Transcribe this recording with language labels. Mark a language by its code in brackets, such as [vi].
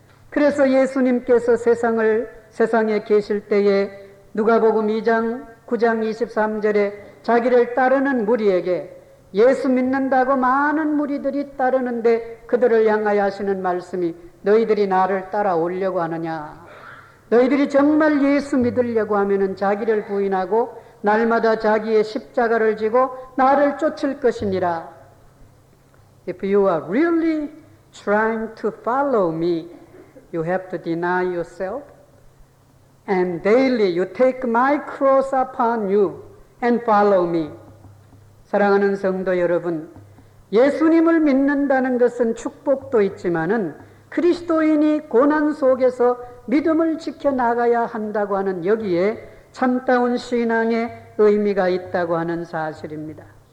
[ko] 그래서 예수님께서 세상에 계실 때에 누가복음 2장 9장 23절에 자기를 따르는 무리에게 예수 믿는다고 많은 무리들이 따르는데 그들을 향하여 하시는 말씀이 너희들이 나를 따라오려고 하느냐, 너희들이 정말 예수 믿으려고 하면은 자기를 부인하고 날마다 자기의 십자가를 지고 나를 쫓을 것이니라. [en] If you are really trying to follow me, you have to deny yourself. And daily you take my cross upon you and follow me. [ko] 사랑하는 성도 여러분, 예수님을 믿는다는 것은 축복도 있지만은 그리스도인이 고난 속에서 믿음을 지켜나가야 한다고 하는 여기에 참다운 신앙의 의미가 있다고 하는 사실입니다.